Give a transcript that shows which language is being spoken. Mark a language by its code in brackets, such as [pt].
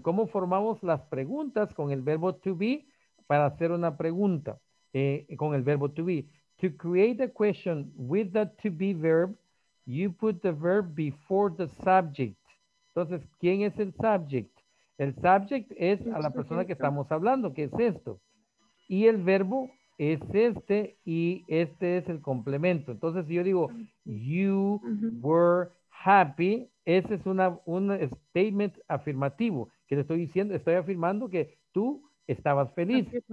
[es] ¿Cómo formamos las preguntas con el verbo to be para hacer una pregunta con el verbo to be? [en] To create a question with the to be verb, you put the verb before the subject. [es] Entonces, ¿quién es el subject? El subject es a la persona que estamos hablando, que es esto. Y el verbo es este, y este es el complemento. Entonces, si yo digo, [en] you were happy, [es] ese es un statement afirmativo, que le estoy diciendo, estoy afirmando que tú estabas feliz.